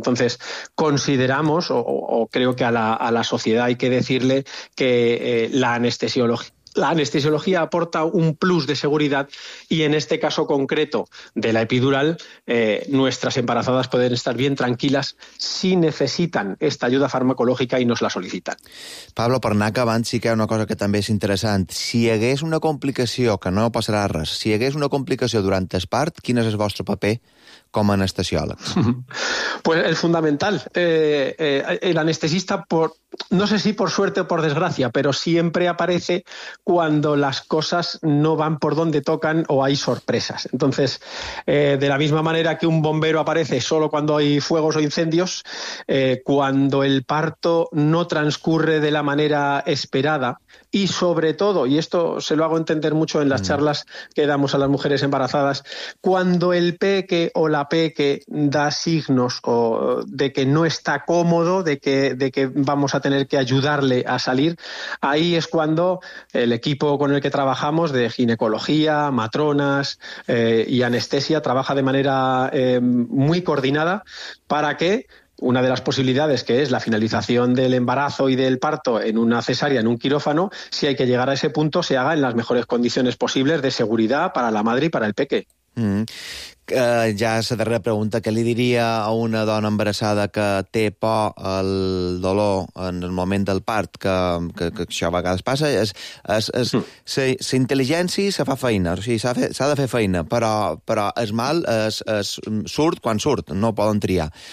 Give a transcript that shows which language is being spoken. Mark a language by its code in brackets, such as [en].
[es] Entonces, consideramos, o creo que a la sociedad hay que decirle que la anestesiología aporta un plus de seguridad, y en este caso concreto de la epidural, nuestras embarazadas pueden estar bien tranquilas si necesitan esta ayuda farmacológica y nos la solicitan. [ca] Pablo, per anar acabant, sí que hi ha una cosa que també és interessant. Si hi hagués una complicació, que no passarà res, si hi hagués una complicació durant el part, quin és el vostre paper com a anestesiòleg? [es] Pues el fundamental. El anestesista, no sé si por suerte o por desgracia, pero siempre aparece cuando las cosas no van por donde tocan o hay sorpresas. Entonces, de la misma manera que un bombero aparece solo cuando hay fuegos o incendios, cuando el parto no transcurre de la manera esperada, y sobre todo, y esto se lo hago entender mucho en las charlas que damos a las mujeres embarazadas, cuando el peque o la peque da signos o de que no está cómodo, de que vamos a tener que ayudarle a salir, ahí es cuando el equipo con el que trabajamos, de ginecología, matronas y anestesia, trabaja de manera muy coordinada para que una de las posibilidades, que es la finalización del embarazo y del parto en una cesárea, en un quirófano, si hay que llegar a ese punto, se haga en las mejores condiciones posibles de seguridad para la madre y para el peque. Mm-hmm. [ca] Ja la darrera pregunta, què li diria a una dona embarassada que té por al dolor en el moment del part, que això a vegades passa? La intel·ligència se fa feina, o sigui, s'ha de fer feina, però el mal es surt quan surt, no poden triar.